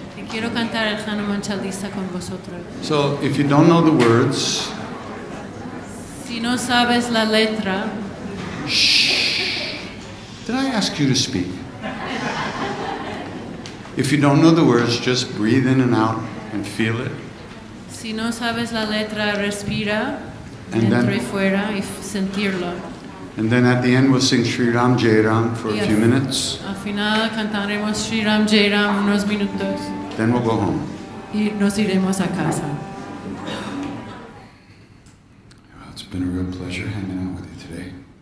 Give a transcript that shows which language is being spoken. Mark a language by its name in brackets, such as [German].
[Spanish] Quiero cantar el Hanuman Chalisa con vosotros. [English] So, if you don't know the words, [Spanish] si no sabes la letra, [English] did I ask you to speak? If you don't know the words, just breathe in and out and feel it. [Spanish] Si no sabes la letra, respira dentro y fuera y sentirlo. [English] And then at the end we'll sing Sri Ram Jai Ram for a few minutes. [Spanish] Al final cantaremos Sri Ram Jai Ram unos minutos. [English] Then we'll go home. [Spanish] Y nos iremos a casa. [English] Well, it's been a real pleasure hanging out with you today.